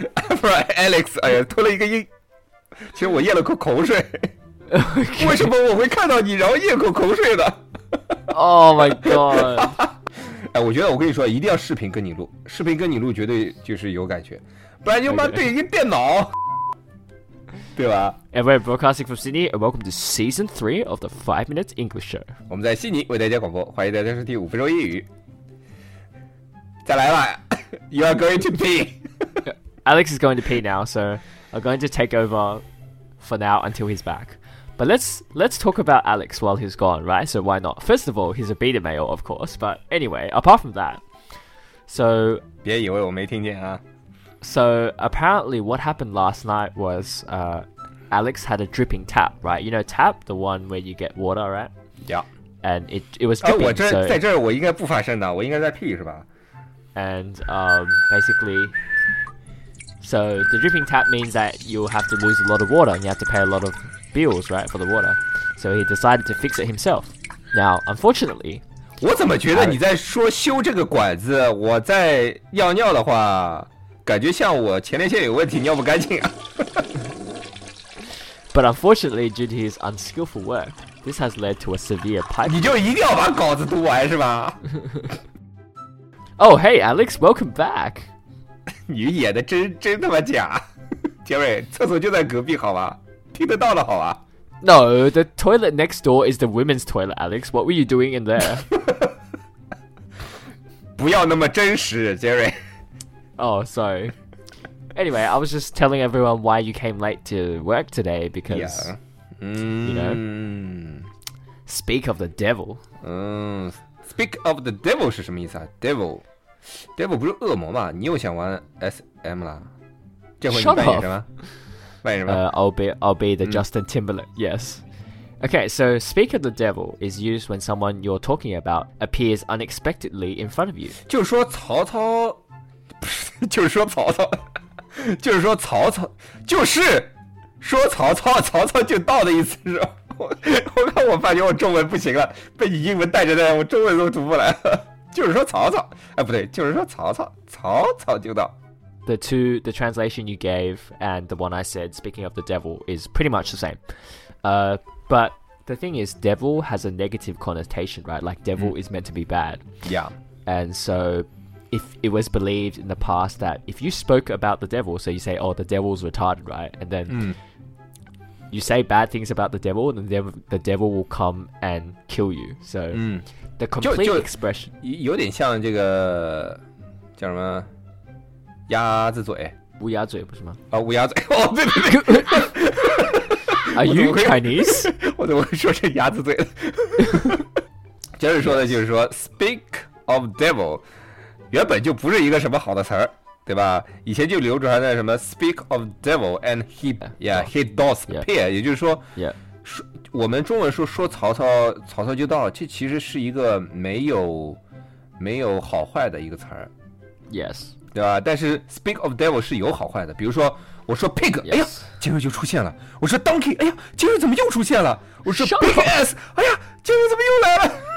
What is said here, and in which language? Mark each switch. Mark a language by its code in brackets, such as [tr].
[zh] Afro Alex. 哎呦吞了一个音。其实我咽了口口水。 [en] Okay. [zh] 为什么我会看到你然后咽口口水的 [en] ？Oh my god. [zh] 哎，我觉得我跟你说，一定要视频跟你录，视频跟你录绝对就是有感觉。不然就妈对一个电脑、对吧？ [en] And we're broadcasting from Sydney, and welcome to season 3 of the 5 Minutes English Show. [zh] 我们在悉尼为大家广播，欢迎大家收听五分钟英语。再来吧 [en] ，You are going to pee. Alex is going to pee now, so I'm going to take over for now until he's back. But let's talk about Alex while he's gone, right? So why not? First of all, he's a beta male, of course. But anyway, apart from that, so [zh] 别以为我没听见啊。 [en] So apparently what happened last night was Alex had a dripping tap, right? You know tap, the one where you get water, right? Yeah. And it was dripping. [zh] 我这、so、在这儿我应该不发声的，我应该在屁是吧？ [en] And basically, so the dripping tap means that you'll have to lose a lot of water and you have to pay a lot of bills, right, for the water. So he decided to fix it himself. Now, unfortunately, [zh] 我怎么觉得你在说修这个管子，我在尿尿的话。感觉像我前列腺有问题，尿不干净啊。 [en] But unfortunately, due to his unskillful work, this has led to a severe pipe. [zh] 你就一定要把稿子读完是吧 [en] ？Oh, hey, Alex, welcome back. [zh] 你演的真他妈假，杰瑞，厕所就在隔壁，好吧？听得到的好吧 [en] ？No, the toilet next door is the women's toilet, Alex. What were you doing in there? [zh] 不要那么真实，杰瑞。 [en] Oh, sorry. Anyway, I was just telling everyone why you came late to work today because, yeah. You know, speak of the devil. Speak of the devil [zh] 是什么意思啊 ？Devil, devil 不是恶魔吗？你又想玩 SM 啦？这回你扮演什么？扮演什么？ [en] I'll be the Justin Timberlake. Yes. Okay, so speak of the devil is used when someone you're talking about appears unexpectedly in front of you. [zh] 就是说曹操。就是说曹操，就是说曹操，就是说曹操，曹操就到的意思是吧？我看我发觉我中文不行了，被你英文带着的，我中文都读不来了。就是说曹操，哎，不对，就是说曹操，曹操就到。 [en] The translation you gave and the one I said, speaking of the devil, is pretty much the same. But the thing is, devil has a negative connotation, right? Like devil is meant to be bad. Yeah. And so. If it was believed in the past that if you spoke about the devil, so you say, oh, the devil's retarded, right? And then you say bad things about the devil, then the devil will come and kill you. So the complete [zh] 就 [en] expression. [zh] 有点像这个叫什么鸭子嘴。乌鸦嘴不是吗？哦，乌鸦嘴。哦，对对对。 [en] Are you Chinese? [zh] 我怎么会说成鸭子嘴了？接着说的就是说 [en] speak of devil. [zh] 原本就不是一个什么好的词儿，对吧？以前就流传的什么 [en] "speak of devil and he he does appear"， [zh] 也就是说， [en] yeah. [zh] 说我们中文说曹操，曹操就到了，这其实是一个没有好坏的一个词儿 [en] ，yes， [zh] 对吧？但是 [en] "speak of devil" [zh] 是有好坏的，比如说我说 "pig"， 哎呀，今日就出现了；我说 "donkey"， 哎呀，今日怎么又出现了？我说 "big ass"， 哎呀，今日怎么又来了